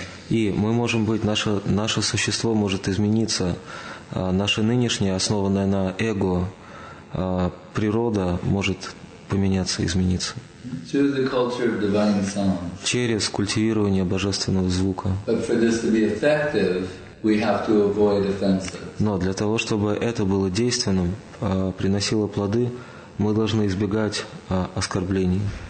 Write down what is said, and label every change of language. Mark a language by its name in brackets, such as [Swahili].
[Russian] и мы можем быть, наше существо может измениться, наше нынешнее, основанное на эго, природа может поменяться, измениться. [English] Through the culture of divine sound. [Russian] Через культивирование божественного звука. [English] But for this to be effective, we have to avoid offenses. [Russian] Но для того, чтобы это было действенным, приносило плоды, мы должны избегать оскорблений.